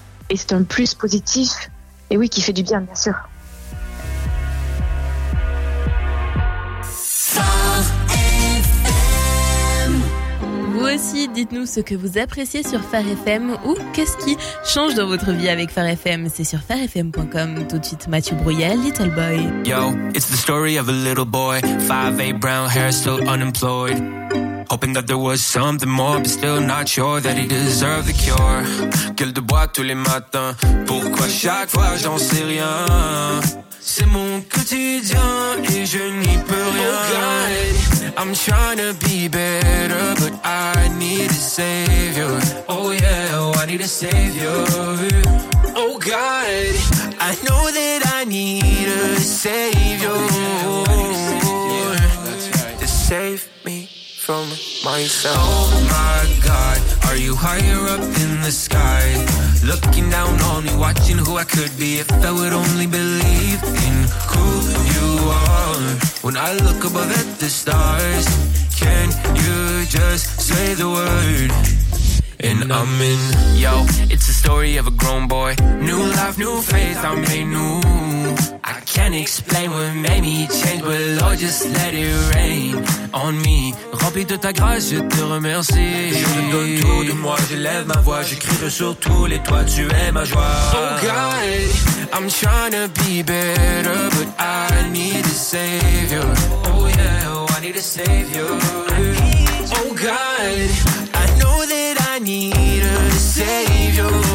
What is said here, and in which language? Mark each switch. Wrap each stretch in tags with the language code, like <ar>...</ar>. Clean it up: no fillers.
<fr>Et c'est un plus positif, et oui, qui fait du bien, bien sûr. Vous aussi, dites-nous ce que vous appréciez sur Phare FM ou qu'est-ce qui change dans votre vie avec Phare FM. C'est sur pharefm.com. Tout de suite, Mathieu Brouillet, Little Boy.</fr> <en>Yo, it's the story of a little boy. 5'8", brown hair, still unemployed. Hoping that there was something more, but still not sure that he deserved the cure.</en> <fr>Gueule de bois tous les matins. Pourquoi chaque fois j'en sais rien? C'est mon quotidien et je n'y peux rien.</fr> <en>Okay. I'm trying to be better, but I need a savior. Oh yeah, I need a savior. Oh God, I know that I need a savior. Oh, yeah, I need a savior. that's right. To save me from myself. Oh my God, are you higher up in the sky? Looking down on me, watching who I could be if I would only believe in who you are. When I look above at the stars, can you just say the word? And I'm in. Yo, it's the story of a grown boy. New life, new faith, I made new. I can't explain what made me change, but Lord, just let it rain on me.</en> <fr>Rempli de ta grâce, je te remercie. Je redonne tout de moi, je lève ma voix. J'écris sur tous les toits, tu es ma joie.</fr> <en>Oh God, I'm trying to be better, but I need a savior. Oh yeah, I need a savior. Oh God, I know that I need a savior.</en>